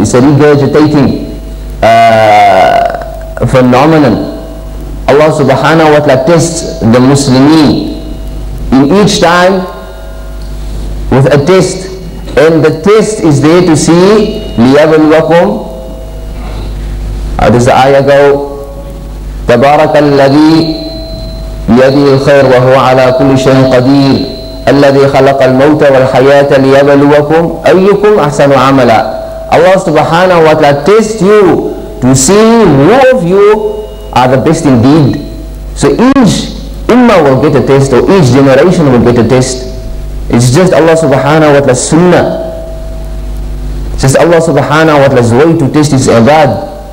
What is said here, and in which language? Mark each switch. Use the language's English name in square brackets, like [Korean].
[English] It's a regurgitating phenomenon. Allah subhanahu wa ta'ala tests the Muslimin in each time with a test. And the test is there to see, [Arabic] لِيَبْلُوَكُمْ. [English] How does the ayah go? [Arabic] تَبَارَكَ الَّذِي بيده الخير وهو على كل شيء قدير الذي خلق الموت والحياة ليبلوكم أيكم أحسن عملا. [English] Allah subhanahu wa ta'ala test you to see who of you are the best indeed. So each ummah will get a test, or each generation will get a test. It's just Allah subhanahu wa ta'ala's sunnah. It's just Allah subhanahu wa ta'ala's way to test his ibad.